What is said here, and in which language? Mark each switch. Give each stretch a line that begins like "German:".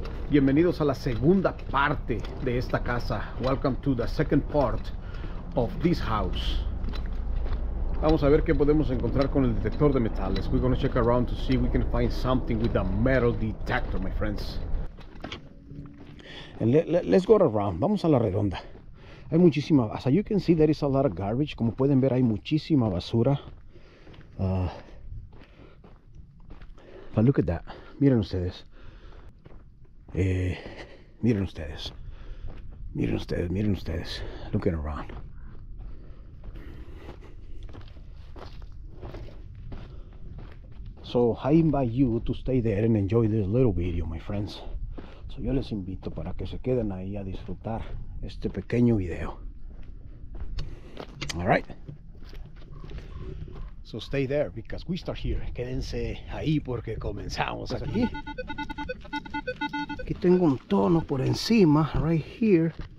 Spanish: Bienvenidos a la segunda parte de esta casa.
English: Welcome to the second part of this house.
Spanish: Vamos a ver qué podemos encontrar con el detector de metales.
English: We're gonna check around to see if we can find something with the metal detector, my friends. And let's go around.
Spanish: Vamos a la redonda. Hay muchísima,
English: as you can see, there is a lot of garbage.
Spanish: Como pueden ver, hay muchísima basura.
English: But look at that.
Spanish: Miren ustedes. Miren ustedes. Miren ustedes, miren ustedes.
English: Looking around. So I invite you to stay there and enjoy this little video, my friends.
Spanish: So yo les invito para que se queden ahí a disfrutar este pequeño video.
English: Alright. So stay there because we start here.
Spanish: Quédense ahí porque comenzamos aquí. Aquí tengo un tono por encima,
English: right here.